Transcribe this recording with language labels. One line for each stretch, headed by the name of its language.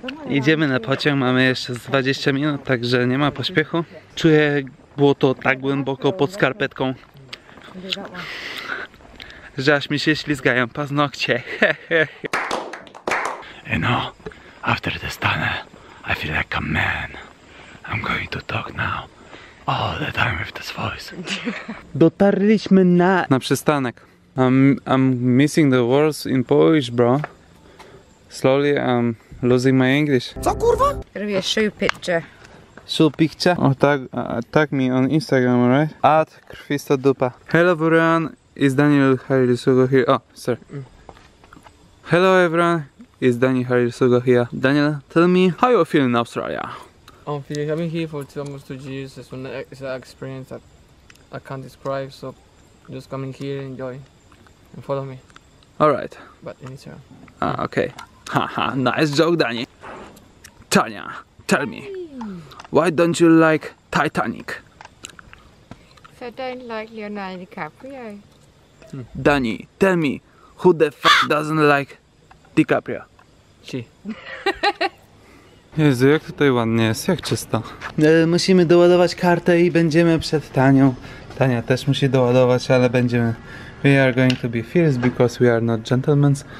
Polish: Idziemy na pociąg, mamy jeszcze 20 minut, także nie ma pośpiechu. Czuję błoto tak głęboko pod skarpetką. Że aż mi się ślizgają paznokcie.
English: You know, after this tunnel, I feel like a man. I'm going to talk now. All the time with this voice.
Polish: Dotarliśmy na przystanek.
English: I'm missing the words in Polish, bro. Slowly I'm losing my English.
Polish: Co kurwa? Robię
English: show picture. Show picture? Oh, tag me on Instagram, right? At Krwista Dupa. Hello everyone, it's Daniel Harilsugo here. Oh, sir. Hello everyone, it's Daniel Harilsugo here. Daniel, tell me how you feel in Australia? I'm feeling, I've been here for almost 2 years. It's an experience that I can't describe, so just coming here, enjoy. And follow me. All right. But in Israel. Ah, okay. Haha, nice joke, Dani. Tanya, tell me. Why don't you like Titanic? So don't like Leonardo DiCaprio. Dani, tell me. Who the f*** doesn't like DiCaprio? She.
Polish: Jezu, jak tutaj ładnie jest, jak czysto. Musimy doładować kartę i będziemy przed Tanią. Tania też musi doładować, ale będziemy.
English: We are going to be fierce because we are not gentlemen.